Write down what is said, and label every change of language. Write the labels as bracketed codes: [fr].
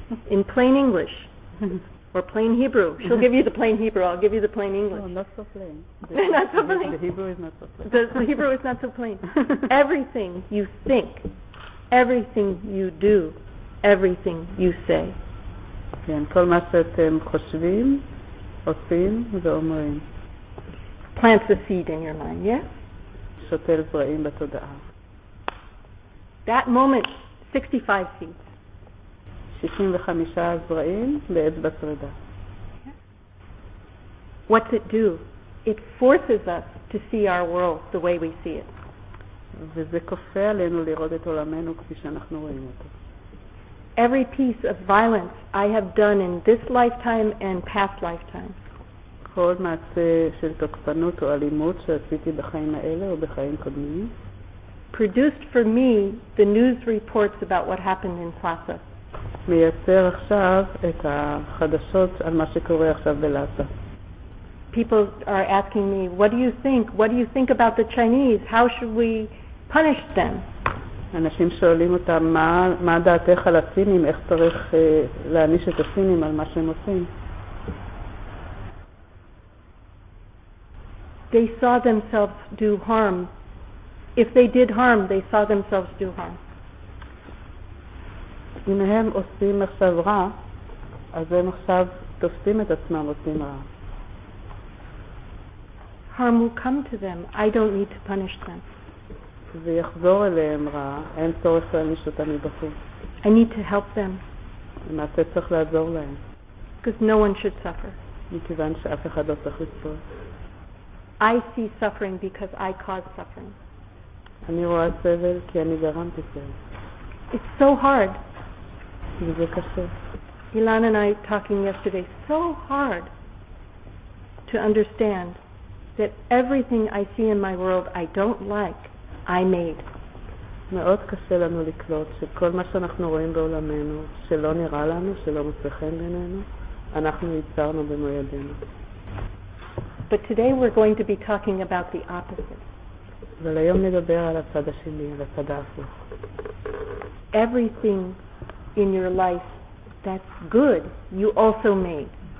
[en] In plain English. Or plain Hebrew. She'll give you the plain Hebrew. I'll give you the plain English. No, not so plain. Not so plain. The Hebrew is not so plain. The Hebrew is not so plain. Everything you think, everything you do, everything you say. [he] כן, כל מה שאתם חושבים, עושים ואומרים. [en] Plant the seed in your mind, yeah? [he] שותל זרעים בתודעה. [en] That moment, 65 seeds. [he] 65 זרעים בעץ בשרדה. [en] What's it do? It forces us to see our world the way we see it. [he] וזה כופה עלינו לראות את עולמנו כפי שאנחנו רואים אותו. [en] Every piece of violence I have done in this lifetime and past lifetimes. [he] כל מעשה של תוקפנות או אלימות שעשיתי בחיים האלה או בחיים קודמים. [en] Produced for me the news reports about what happened in Lhasa. [he] מייצר עכשיו את החדשות על מה שקורה עכשיו בלאסה. [en] People are asking me, what do you think? What do you think about the Chinese? How should we punish them? [he] אנשים שואלים אותם, מה דעתך על הסינים? איך צריך להניש את הסינים על מה שהם עושים? [en] They saw themselves do harm. If they did harm, they saw themselves do harm. [he] אם הם עושים עכשיו רע, אז הם עכשיו תופסים את עצמם עושים רע. [en] Harm will come to them. I don't need to punish them. [he] ויחזור אליהם רע, אין צורך להניש אותם מבחוץ. [en] I need to help them. [he] אם אתה צריך לעזור להם. [en] Because no one should suffer. [he] מכיוון שאף אחד לא צריך לסבול. [en] I see suffering because I cause suffering. [he] אני רואה סבל כי אני גרמתי סבל. [en] It's so hard. [he] וזה קשה. [en] Ilan and I talking yesterday, so hard to understand that everything I see in my world I don't like, I made. [he] מאוד קשה לנו לקלוט שכל מה שאנחנו רואים בעולמנו, שלא נראה לנו, שלא מצליחים בינינו, אנחנו ייצרנו במו ידינו. [en] But today we're going to be talking about the opposite. [he] והיום נדבר על הצד השני, על הצד ההפוך. [en] Everything in your life that's good, you also made.